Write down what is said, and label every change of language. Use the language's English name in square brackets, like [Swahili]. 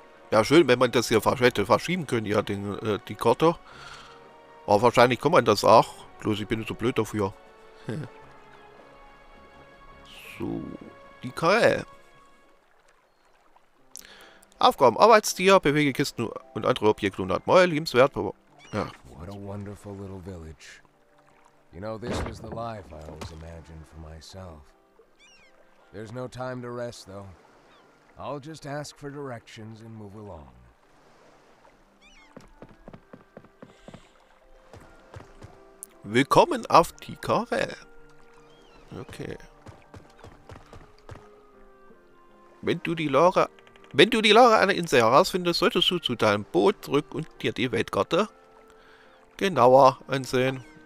[German] Ja, schön, wenn man das hier hätte verschieben können, ja, den, die Karte. Aber wahrscheinlich kann man das auch. Bloß ich bin so blöd dafür. So, die Karre. Aufgaben, Arbeitstier, bewege Kisten und andere Objekte 100 Mal lebenswert. Ja. [English] What a wonderful little village. You know, this was the life I always imagined for myself. There's no time to rest, though. I'll just ask for directions and move along. [German] Willkommen auf die Karre. Okay. Wenn du die Lage einer Insel herausfindest, solltest du zu deinem Boot zurück und dir die Weltkarte genauer ansehen.